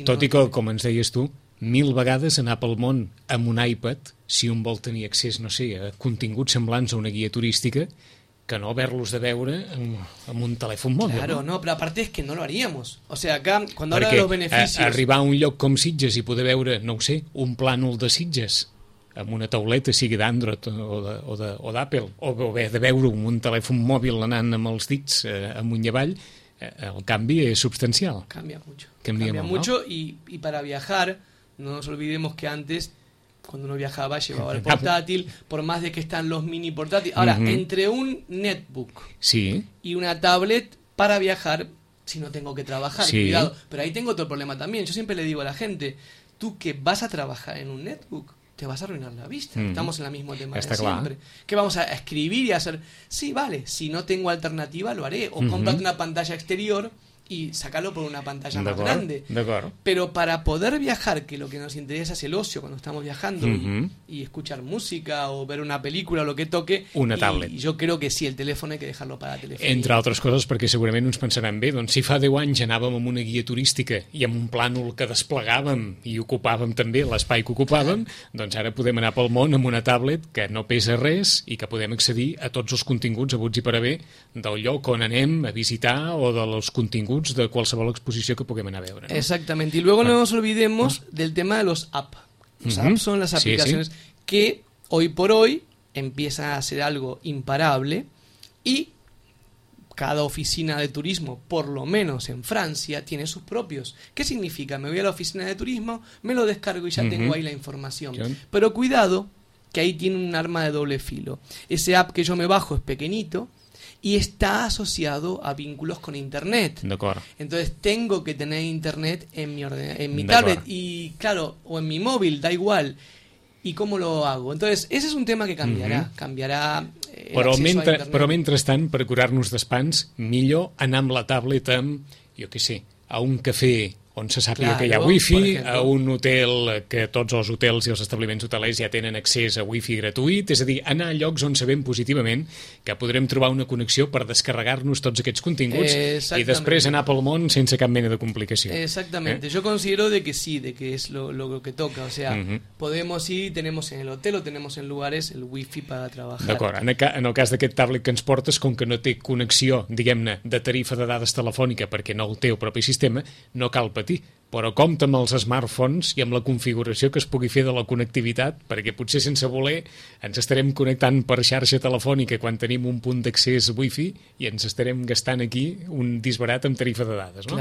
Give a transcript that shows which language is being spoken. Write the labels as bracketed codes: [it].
[ca] Si tot no, i que, com ens deies tu, mil vegades anar pel món amb un iPad, si un vol tenir accés, no sé, a continguts semblants a una guia turística, que no haberlos de veure amb un telèfon mòbil. [es] Claro, no, pero aparte es que no lo haríamos. O sea, acá, cuando hablo de los beneficios... [ca] Perquè arribar a un lloc com Sitges i poder veure, no ho sé, un plànol de Sitges amb una tauleta, sigui d'Android o d'Apple, o bé de veure-ho amb un telèfon mòbil anant amb els dits amunt i avall, el canvi és substancial. [es] Cambia mucho. Cambia mucho, ¿no? Y para viajar, no nos olvidemos que antes, cuando uno viajaba, llevaba el portátil, por más de que están los mini portátiles. Ahora, entre un netbook y una tablet, para viajar, si no tengo que trabajar, cuidado. Pero ahí tengo otro problema también. Yo siempre le digo a la gente, tú que vas a trabajar en un netbook, te vas a arruinar la vista. Estamos en el mismo tema siempre. ¿Qué vamos a escribir y a hacer? Sí, vale, si no tengo alternativa, lo haré. O cómprate una pantalla exterior y sacarlo por una pantalla más grande. [ca] D'acord. [es] Pero para poder viajar, que lo que nos interesa es el ocio cuando estamos viajando, y escuchar música o ver una película o lo que toque, una tablet. Y yo creo que sí, el teléfono hay que dejarlo para la telefonía. [ca] Entre altres coses, perquè segurament uns pensaran bé, doncs si fa 10 anys anàvem amb una guia turística i amb un plànol que desplegàvem i ocupàvem també l'espai que ocupàvem, doncs ara podem anar pel món amb una tablet que no pesa res i que podem accedir a tots els continguts, a buts i per haver, del lloc on anem a visitar o dels continguts de qualsevol exposició que puguem anar a veure. No? Exactament. [es] I luego no nos olvidemos del tema de los apps. Los apps son las aplicaciones que hoy por hoy empiezan a ser algo imparable y cada oficina de turismo, por lo menos en Francia, tiene sus propios. ¿Qué significa? Me voy a la oficina de turismo, me lo descargo y ya tengo ahí la información. Pero cuidado, que ahí tiene un arma de doble filo. Ese app que yo me bajo es pequeñito, y está asociado a vínculos con internet. [ca] D'acord. [es] Entonces tengo que tener internet en mi tablet y claro, o en mi móvil, da igual. ¿Y cómo lo hago? Entonces, ese es un tema que cambiará, cambiará [ca] però mentrestant, per curar-nos d'espans, millor anar amb la tablet amb, jo què sé, a un cafè on se sàpiga que hi ha wifi, a un hotel que tots els hotels i els establiments hotelers ja tenen accés a wifi gratuït, és a dir, anar a llocs on sabem positivament que podrem trobar una connexió per descarregar-nos tots aquests continguts i després anar pel món sense cap mena de complicació. [es] Exactamente, yo considero de que sí, de que es lo que toca, o sea, podemos ir, tenemos en el hotel o tenemos en lugares el wifi para trabajar. [ca] D'acord, en el cas d'aquest tablet que ens portes, com que no té connexió, diguem-ne, de tarifa de dades telefònica perquè no el té el propi sistema, no cal patir, però compta amb els smartphones i amb la configuració que es pugui fer de la connectivitat, perquè potser sense voler ens estarem connectant per xarxa telefònica quan tenim un punt d'accés wifi i ens estarem gastant aquí un disbarat amb tarifa de dades, no?